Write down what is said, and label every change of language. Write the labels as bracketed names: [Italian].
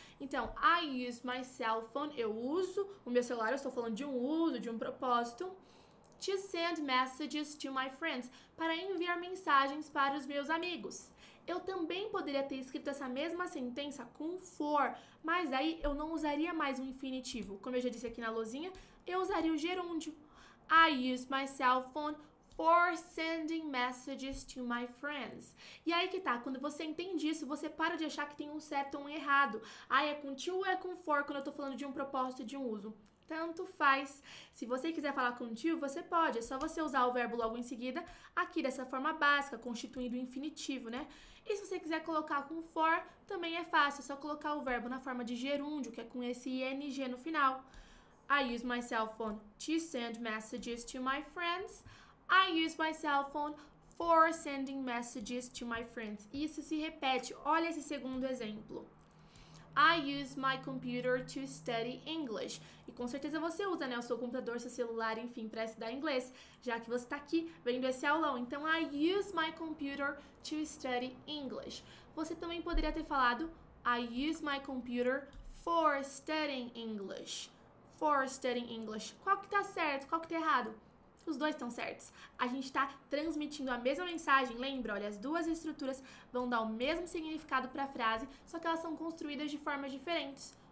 [Portuguese] Então, [English] I use my cell phone, [Portuguese] eu uso o meu celular, eu estou falando de um uso, de um propósito. [English] To send messages to my friends, [Portuguese] para enviar mensagens para os meus amigos. Eu também poderia ter escrito essa mesma sentença com for, mas aí eu não usaria mais um infinitivo. Como eu já disse aqui na lousinha, eu usaria o gerúndio. [English] I use my cell phone for sending messages to my friends. [Portuguese] E aí que tá, quando você entende isso, você para de achar que tem um certo ou um errado. Ah, é com to ou é com for quando eu tô falando de um propósito, de um uso? Tanto faz. Se você quiser falar com o tio, você pode. É só você usar o verbo logo em seguida, aqui dessa forma básica, constituindo o infinitivo, né? E se você quiser colocar com for, também é fácil. É só colocar o verbo na forma de gerúndio, que é com esse ing no final. [English] I use my cell phone to send messages to my friends. I use my cell phone for sending messages to my friends. [Portuguese] Isso se repete. Olha esse segundo exemplo. [English] I use my computer to study English. [Portuguese] E com certeza você usa, né, o seu computador, seu celular, enfim, para estudar inglês, já que você está aqui vendo esse aulão. Então, [English] I use my computer to study English. [Portuguese] Você também poderia ter falado: [English] I use my computer for studying English. For studying English. [Portuguese] Qual que está certo? Qual que está errado? Os dois estão certos. A gente está transmitindo a mesma mensagem, lembra? Olha, as duas estruturas vão dar o mesmo significado para a frase, só que elas são construídas de formas diferentes.